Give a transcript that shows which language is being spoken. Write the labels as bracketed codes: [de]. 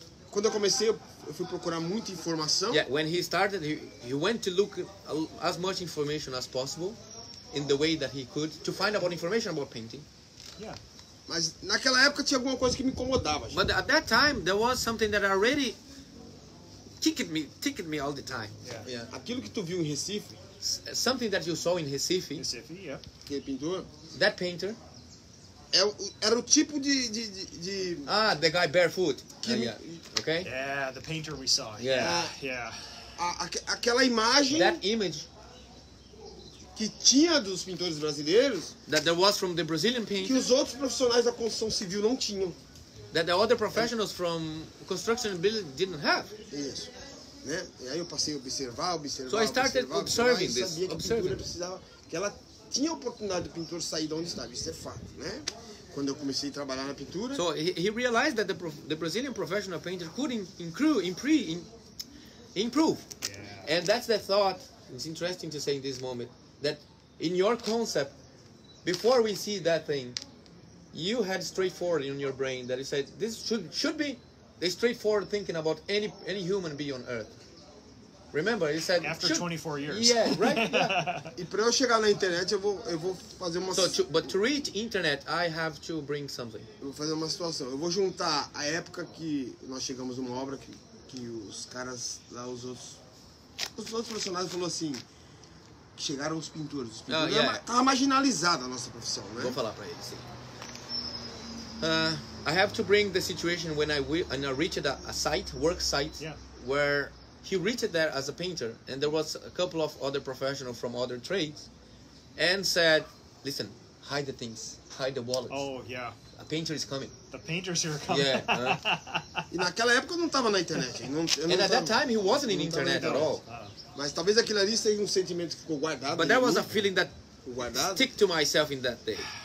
[pt] Quando eu comecei, eu fui procurar muita informação. [en] Yeah, when he started, he went to look as much information as possible. In the way that he could to find out information about painting. Yeah. [pt] Mas naquela época tinha alguma coisa que me incomodava. [en] But at that time there was something that already ticked me all the time. Yeah. [pt] Aquilo que tu viu em Recife. [en] Something that you saw in Recife. Recife, yeah. [pt] Que pintor? [en] That painter. [pt] Era o tipo de [en] Ah, the guy barefoot. Yeah. Okay. Yeah, the painter we saw. Yeah. [pt] Aquela imagem. [en] That image. [pt] Que tinha dos pintores brasileiros. [en] That there was from the Brazilian painter. [pt] Que os outros profissionais da construção civil não tinham. [en] That the other professionals from construction building didn't have. [pt] Isso. Né? E aí eu passei a observar. [en] So I started observing this. [pt] Sabia que a pintura precisava. Que ela tinha a oportunidade do pintor sair de onde estava. Isso é fato, né? Quando eu comecei a trabalhar na pintura. [en] So he realized that the Brazilian professional painter could improve. Yeah. And that's the thought. It's interesting to say in this moment. That in your concept, before we see that thing, you had straightforward in your brain that you said this should be the straightforward thinking about any human being on earth. Remember, you said after 24 years. Yeah, right. [pt] E para eu chegar na internet, eu vou fazer uma. [en] But to reach internet, I have to bring something. [pt] Eu vou fazer uma situação. Eu vou juntar a época que nós chegamos numa obra que os caras lá os outros profissionais falou assim. Chegaram os pintores. Os pintores estava marginalizada a nossa profissão, né? Vou falar para eles. [en] I have to bring the situation when I reached a site, work site, yeah. Where he reached there as a painter, and there was a couple of other professionals from other trades, and said, "Listen, hide the things, hide the wallets." Oh yeah. A painter is coming. The painters here are coming. Yeah. [pt] E naquela época não estava na internet. [en] And at that time he wasn't in internet at all. [pt] Mas talvez aquilo ali seja sentimento que ficou guardado. [en] But there was a feeling that stuck to myself in that day.